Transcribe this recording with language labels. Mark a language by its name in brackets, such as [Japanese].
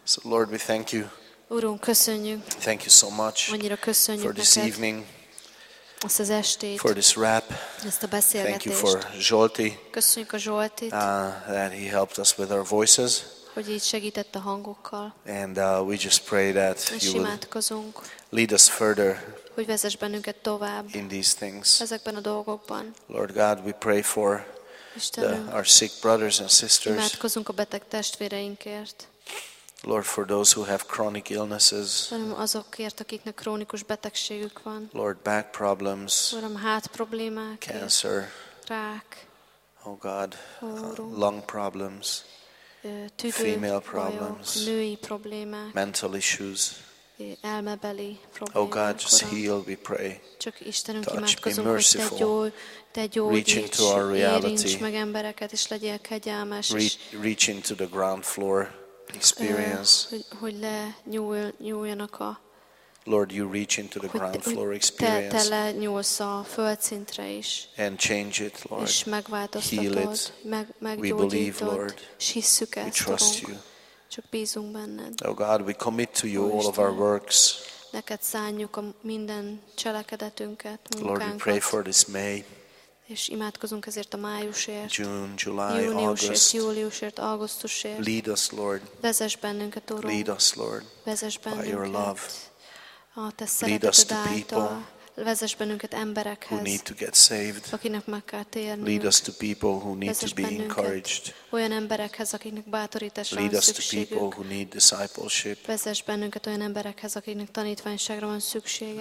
[English] So Lord, we thank you. [Hungarian] Urunk, köszönjük. [English] Thank you so much. [Hungarian] Annyira köszönjük [English] for this [Hungarian] neked. [English] Evening. [Hungarian] Azt az estét. [English] For this rap. [Hungarian] Ezt a beszélgetést. [English] Thank you for Zsolti. [Hungarian] Köszönjük a Zsoltit. [English] That he helped us with our voices. [Hungarian] Hogy így segített a hangokkal. [English] And we just pray that you will lead us further. [Hungarian] Hogy vezess bennünket tovább. [English] In these things. [Hungarian] Ezekben a dolgokban. [English] Lord God, we pray for our sick brothers and sisters. [Hungarian] Imádkozunk a beteg testvéreinkért. [English] Lord, for those who have chronic illnesses. [Hungarian] Uram, azokért, akiknek krónikus betegségük van. [English] Lord, back problems. [Hungarian] Uram, hát problémák. [English] Cancer. [Hungarian] Rák. [English] Oh God. Lung problems. [Hungarian] Tüdő, [English] female problems. [Hungarian] Bajok, női problémák. [English] Mental issues. [Hungarian] Elmebeli problémák. [English] Oh God, just heal, we pray. [Hungarian] Csak Istenünk, imádkozunk, hogy te gyógyíts, érints meg embereket, és legyél kegyelmes. [English] Reach into the ground floor. Experience. [Hungarian] Hogy lenyúljanak a. [English] Lord, you reach into the ground floor experience. [Hungarian] Te lenyúlsz a földszintre is. [English] And change it, Lord. [Hungarian] És megváltoztatod. [English] We believe, Lord. We trust you. [Hungarian] Csak bízunk benned. [English] Oh God, we commit to you all of our works. [Hungarian] Neked szánjuk a minden cselekedetünket, munkánkat. [English] Lord, we pray for this May. [Hungarian] És imádkozunk ezért a májusért, [English] June, July, [Hungarian] júniusért, [English] August. [Hungarian] Júliusért, augusztusért. [English] Lead us, Lord. [Hungarian] Vezess bennünket, Urunk. [English] Lead us, Lord. [Hungarian] Vezess bennünket. [English] By your love. [Hungarian] A te szereteted által. Vezess bennünket emberekhez. [English] Who need to get saved. [Hungarian] Akinek meg kell térnünk. [English] Lead us to people who need to be encouraged. [Hungarian] Olyan emberekhez, akiknek bátorításra [English] lead [Hungarian] van szükségük. [English] Lead us to people who need discipleship. [Hungarian] Vezess bennünket olyan emberekhez, akiknek tanítványságra van szüksége.